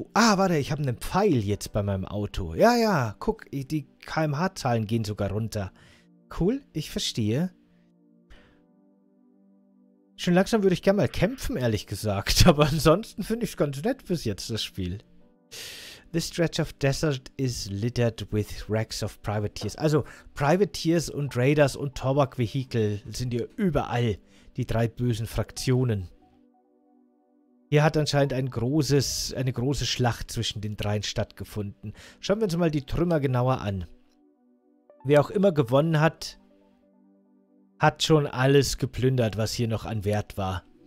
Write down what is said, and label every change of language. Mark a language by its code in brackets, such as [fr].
[de] Ah, warte, ich habe einen Pfeil jetzt bei meinem Auto. Ja, guck, die KMH-Zahlen gehen sogar runter. Cool, ich verstehe. Schon langsam würde ich gerne mal kämpfen, ehrlich gesagt. Aber ansonsten finde ich es ganz nett bis jetzt, das Spiel. [en] This stretch of desert is littered with wrecks of Privateers. [de] Also, Privateers und Raiders und Torbak-Vehikel sind hier überall. Die drei bösen Fraktionen. Hier hat anscheinend eine große Schlacht zwischen den dreien stattgefunden. Schauen wir uns mal die Trümmer genauer an. Wer auch immer gewonnen hat, hat schon alles geplündert, was hier noch an Wert war.